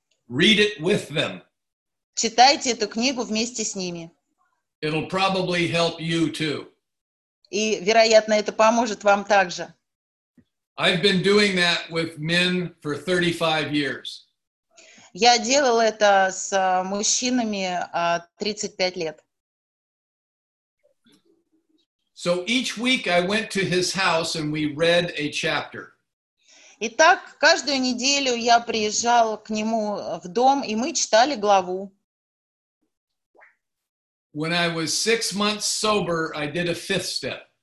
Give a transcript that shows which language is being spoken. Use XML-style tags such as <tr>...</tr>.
<en>Read it with them.</en> <ru>Читайте эту книгу вместе с ними.</ru> <en>It'll probably help you too.</en> <ru>И, вероятно, это поможет вам также.</ru> <en>I've been doing that with men for 35 years.</en> <ru>Я делал это с мужчинами 35 лет.</ru> <en>So each week I went to his house and we read a chapter.</en> <ru>Итак, каждую неделю я приезжал к нему в дом, и мы читали главу.</ru> <en>When I was 6 months sober, I did a fifth step.</en>